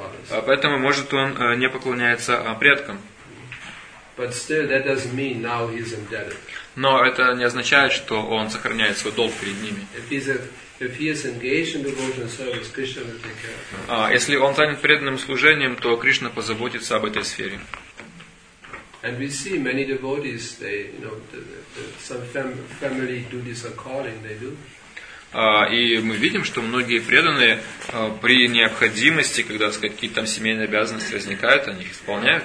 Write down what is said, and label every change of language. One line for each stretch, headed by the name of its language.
Russian: А поэтому, может, он не поклоняется предкам.
English: But still, that doesn't mean now he's indebted.
Russian: Но это не означает, что он сохраняет свой долг перед ними.
English: If he is engaged in devotional service, Krishna will take care of him.
Russian: Если он занят преданным служением, то Кришна позаботится об этой сфере.
English: And we see many devotees, they, you know, some family duties are calling, they do.
Russian: И мы видим, что многие преданные при необходимости, когда, так сказать, какие-то там семейные обязанности возникают, они их исполняют.